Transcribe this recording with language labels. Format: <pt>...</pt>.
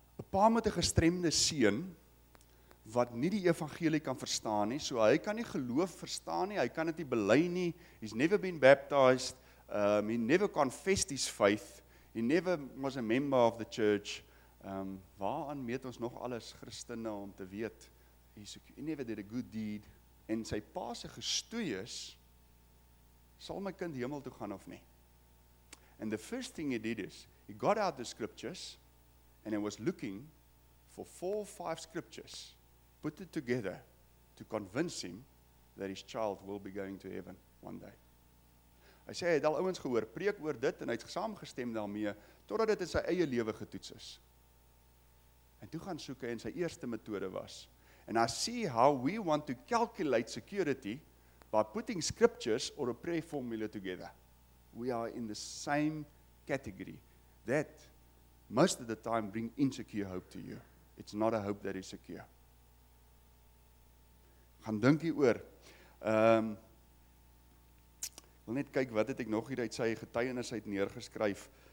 <af>pa met 'n gestremde seun, wat nie die evangelie kan verstaan nie, so hy kan nie geloof verstaan nie, hy kan dit nie bely nie,</af> <en>he's never been baptized, he never confessed his faith, he never was a member of the church,</en> <af>waaraan meet ons nog alles Christene om te weet,</af> <en>he never did a good deed,</en> <af>en sy pa se gestoei is, sal my kind hemel toe gaan of nie?</af> <en>And the first thing he did is, he got out the scriptures, and he was looking for 4 or 5 scriptures, put it together to convince him that his child will be going to heaven one day.</en> <af>Hy sê, hy het al ouens gehoor, preek oor dit, en hy het saamgestem daarmee, totdat dit in sy eie lewe getoets is. En toe gaan soek hy, en sy eerste metode was,</af> <en>and I see how we want to calculate security by putting scriptures or a prayer formula together. We are in the same category that most of the time bring insecure hope to you. It's not a hope that is secure.</en> <af>Gaan dink hier oor. Wil net kyk, wat het ek nog hier uit sy getuienis uit neergeskryf.</af>